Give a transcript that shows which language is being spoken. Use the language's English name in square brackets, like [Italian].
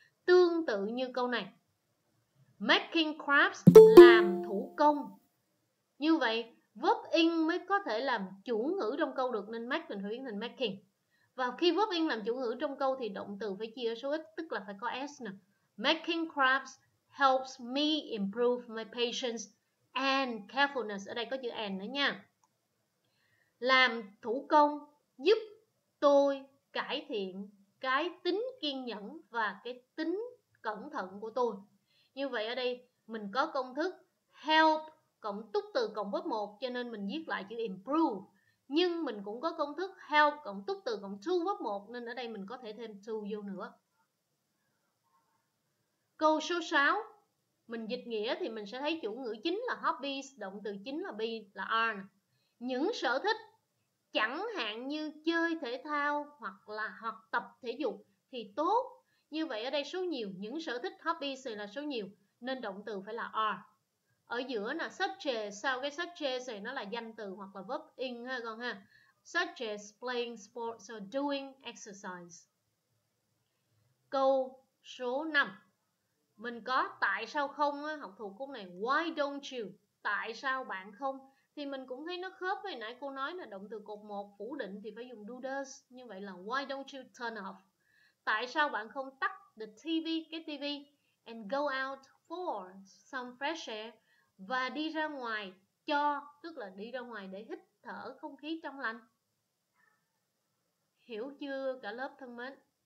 [Vietnamese] Tương tự như câu này, making crafts làm thủ công. Như vậy verb in mới có thể làm chủ ngữ trong câu được, nên make mình phải biến thành making. Và khi verb in làm chủ ngữ trong câu thì động từ phải chia số ít, tức là phải có s nè. [English] Making crafts helps me improve my patience and carefulness. [Vietnamese] Ở đây có chữ and nữa nha. Làm thủ công giúp tôi cải thiện cái tính kiên nhẫn và cái tính cẩn thận của tôi. Như vậy ở đây mình có công thức help cộng túc từ cộng verb 1, cho nên mình viết lại chữ improve. Nhưng mình cũng có công thức help cộng túc từ cộng to verb 1, nên ở đây mình có thể thêm to vô nữa. Câu số 6, mình dịch nghĩa thì mình sẽ thấy chủ ngữ chính là hobbies, động từ chính là be là are. Những sở thích chẳng hạn như chơi thể thao hoặc là học tập thể dục thì tốt. Như vậy ở đây số nhiều, những sở thích hobbies là số nhiều nên động từ phải là are. Ở giữa là such, sau cái such này nó là danh từ hoặc là verb in ha con ha. [English] Such as playing sports or doing exercise. Câu [Vietnamese] Số 5. Mình có tại sao không á, học thuộc câu này [English] why don't you? [Vietnamese] Tại sao bạn không? Thì mình cũng thấy nó khớp với nãy cô nói là động từ cột 1 phủ định thì phải dùng do does. Như vậy là [English] why don't you turn off? [Vietnamese] Tại sao bạn không tắt the TV, cái TV, [English] and go out for some fresh air, [Vietnamese] và đi ra ngoài cho, tức là đi ra ngoài để hít thở không khí trong lành. Hiểu chưa cả lớp thân mến?